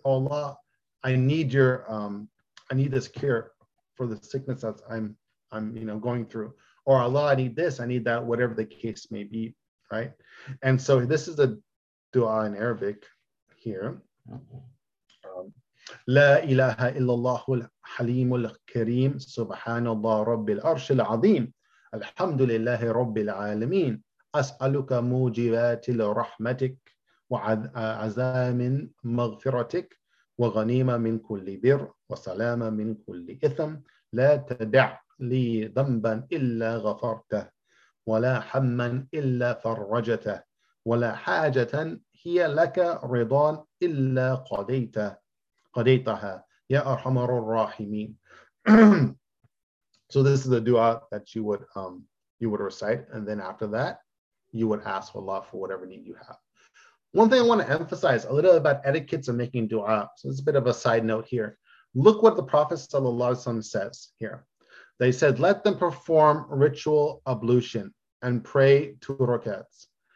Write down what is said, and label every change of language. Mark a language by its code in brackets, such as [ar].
[en] Oh Allah, I need your I need this cure for the sickness that I'm you know going through. Or Allah, I need this, I need that, whatever the case may be, right? And so this is a dua in Arabic here. [ar] لا إله إلا الله الحليم الكريم سبحان الله رب العرش العظيم الحمد لله رب العالمين أسألك موجبات رحمتك وعزام مغفرتك وغنيمة من كل بر وسلامة من كل إثم لا تدع لي ذنبا إلا غفرته ولا هما إلا فرجته ولا حاجة هي لك رضا إلا قضيته Qadaytaha, ya arhamar rahimin. [en] So this is the dua that you would recite, and then after that, you would ask Allah for whatever need you have. One thing I want to emphasize a little about etiquettes of making dua. So it's a bit of a side note here. Look what the Prophet sallallahu alaihi wasallam says here. They said, let them perform ritual ablution and pray two rakats.